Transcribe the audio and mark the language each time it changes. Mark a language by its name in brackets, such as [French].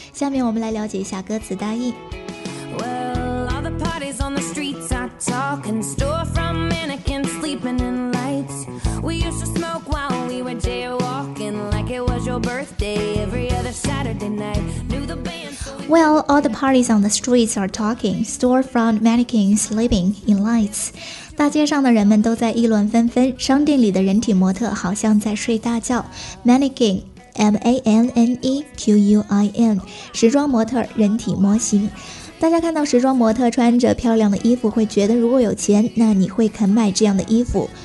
[Chinese] 下面我们来了解一下歌词大意。 [English] Well, all the parties on the streets are talking, store from mannequins sleeping in lights. We used to smoke while we were jaywalking, like it was your birthday every other Saturday night. Well, all the parties on the streets are talking. Storefront mannequins sleeping in lights. [Chinese] 大街上的人们都在议论纷纷，商店里的人体模特好像在睡大觉。 Mannequin, M-A-N-N-E-Q-U-I-N, 时装模特，人体模型。大家看到时装模特穿着漂亮的衣服，会觉得如果有钱，那你会肯买这样的衣服？